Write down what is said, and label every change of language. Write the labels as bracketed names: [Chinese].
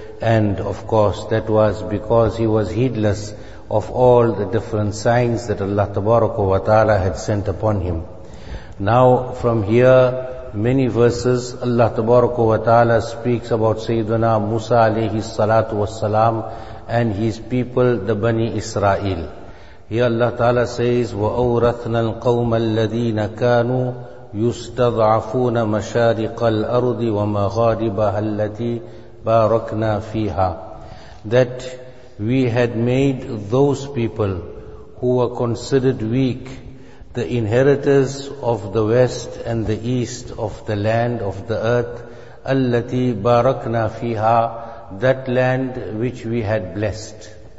[English] And of course that was because he was heedless of all the different signs that Allah Tabaraka wa Ta'ala had sent upon him. Now from here, many verses, Allah Tabaraka wa Ta'ala speaks about Sayyidina Musa alayhi salatu wa salam and his people, the Bani Israel. Here Allah Ta'ala says, [Arabic] وَأَوْرَثْنَا الْقَوْمَ الَّذِينَ كَانُوا يُسْتَضْعَفُونَ مَشَارِقَ الْأَرْضِ وَمَغَارِبَهَا الَّتِي بَارَكْنَا فِيهَا. [English] That we had made those people who were considered weak the inheritors of the west and the east of the land of the earth. [Arabic] Allati barakna fiha, [English] that land which we had blessed.